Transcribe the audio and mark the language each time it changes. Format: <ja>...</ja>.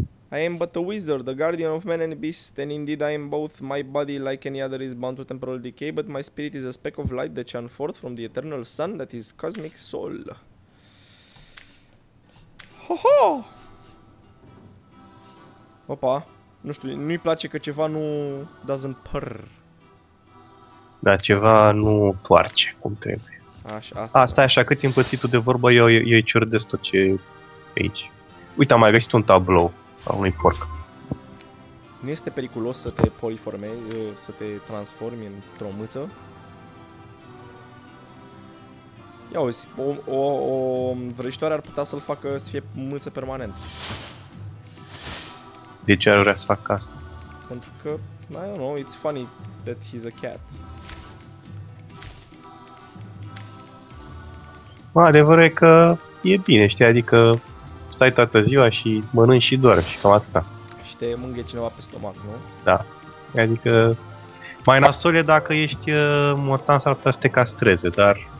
<en>I am but a wizard, the guardian of men and beasts, and indeed I am both. My body, like any other, is bound to temporal decay, but my spirit is a speck of light that shone forth from the eternal sun, that is cosmic soul. Ho-ho!</en> <ro>Opa, nu știu, nu-i place că ceva nu...</ro> <en>doesn't purr.</en> <ro>Da, ceva nu toarce cum trebuie. Așa, asta... A, stai așa, cât timp ții tu de vorbă, eu îi ciur destul ce... aici. Uite, am mai găsit un tablou a unui porc. Nu este periculos să te poliformezi, să te transformi într-o mâță? Ia uzi, o vrăjitoare ar putea să-l facă să fie mâță permanent. De ce ar vrea să facă asta? Pentru că,</ro> <en>I don't know, it's funny that he's a cat.</en> <ro>Mă, adevărul e că e bine, știi, adică stai toată ziua și mănânci și doar și cam atâta. Și te mânghe cineva pe stomac, nu? Da. Adică mai nasol e dacă ești mortan, s-ar putea să te castreze, dar...</ro>